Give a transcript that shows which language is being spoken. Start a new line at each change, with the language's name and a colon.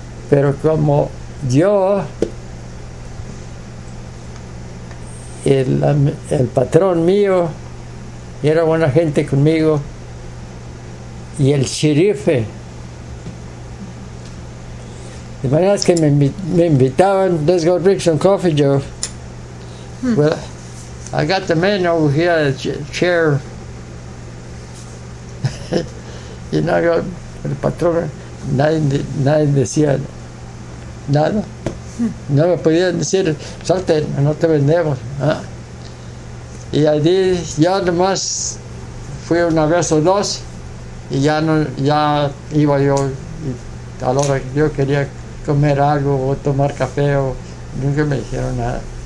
Spanish: Pero como yo, el patrón mío, era buena gente conmigo, y el sherife, de manera que me invitaban,
English: let's go drink some coffee, Joe. Well, I got the man over here, the chair.
Spanish: Y no, yo, el patrón, nadie decía nada. No me podían decir, salte, no te vendemos. ¿Ah? Y allí ya nomás fui una vez o dos y ya no, ya iba yo a la hora que yo quería comer algo o tomar café o nunca me dijeron nada.